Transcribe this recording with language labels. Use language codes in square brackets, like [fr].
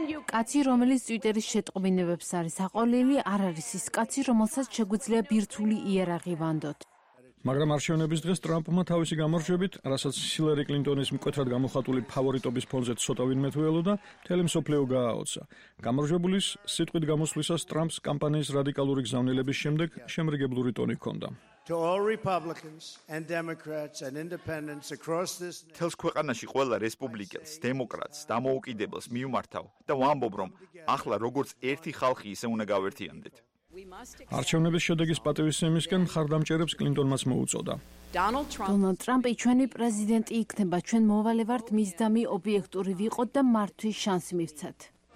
[ka] კაცი, რომელიც ტვიტერის შეტყობინებებს არის აყოლილი, არ არის ის კაცი, რომელსაც შეგვიძლია ბირთვული იერაღი ვანდოთ. მაგრამ არჩევნების დღეს ტრამპმა თავისი გამარჯვებით, რასაც ჰილარი კლინტონის მკვეთრად გამოხატული ფავორიტობის ფონზე ცოტა ვინმე თვეულოდა, მთელი მსოფლიო გააოცა. გამარჯვებულის სიტყვით გამოსვლისას ტრამპს კამპანიის რადიკალური გზავნილების შემდეგ შემრიგებლური ტონი ჰქონდა. [en] To all Republicans and Democrats and Independents across this nation. [ka] თელს ქვეყანაში ყველა რესპუბლიკელს, დემოკრატს, დამოუკიდებელს მიუმართავ და ვამბობ, რომ ახლა როგორც ერთი ხალხი ისე უნდა გავერთიანდეთ. არჩევნების შედეგის პატივისცემისგან მხარდამჭერებს კლინტონმას მოუწოდა. დონალდ ტრამპი ჩვენი პრეზიდენტი იქნება, ჩვენ მოვალე ვართ მისდამი ობიექტური ვიყოთ და მართვის შანსი მივცათ.